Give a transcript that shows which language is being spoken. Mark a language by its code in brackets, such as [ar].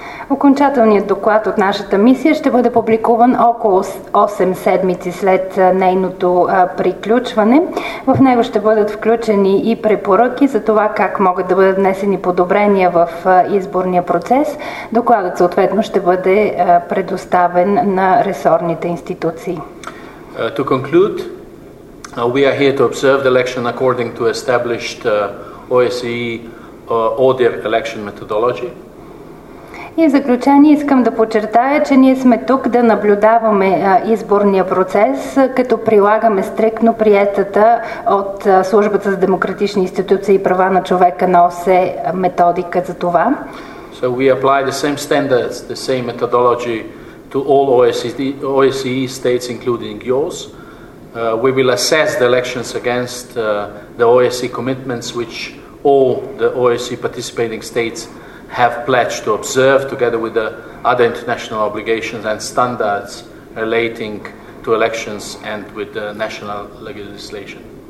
[bg] Окончателният доклад от нашата мисия ще бъде публикуван около 8 седмици след нейното приключване. В него ще бъдат включени и препоръки за това как могат да бъдат внесени подобрения в изборния процес. Докладът съответно ще бъде предоставен на ресорните институции. [en] To conclude, we are here to observe the election according to established OSCE ODIHR election methodology. [bg] И в заключение искам да подчертая, че ние сме тук да наблюдаваме изборния процес, като прилагаме стриктно приетата от Службата за демократични институции и права на човека на ОСЕ методика за това. [en] So we apply the same standards, the same methodology to all OSCE states, including yours. We will assess the elections against the OSCE commitments, which all the OSCE participating states have pledged to observe together with the other international obligations and standards relating to elections and with the national legislation.